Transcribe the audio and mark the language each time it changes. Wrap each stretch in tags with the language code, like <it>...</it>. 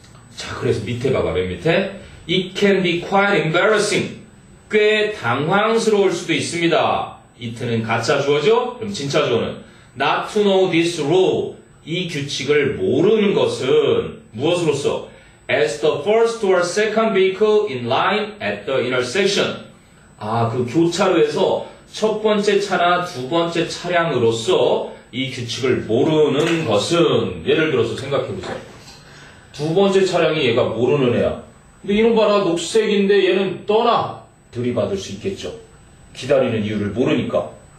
<ko>자, 그래서 밑에 봐봐, 맨 밑에.</ko> <en>It can be quite embarrassing.</en> <ko>꽤 당황스러울 수도 있습니다. It는 가짜 주어죠? 그럼 진짜 주어는?</ko> <en>Not to know this rule.</en> <ko>이 규칙을 모르는 것은 무엇으로서?</ko> <en>As the first or second vehicle in line at the intersection.</en> <ko>아, 그 교차로에서 첫 번째 차나 두 번째 차량으로서 이 규칙을 모르는 것은, 예를 들어서 생각해보세요. 두 번째 차량이 얘가 모르는 애야. 근데 이놈 봐라, 녹색인데 얘는 떠나. 들이받을 수 있겠죠. 기다리는 이유를 모르니까.</ko>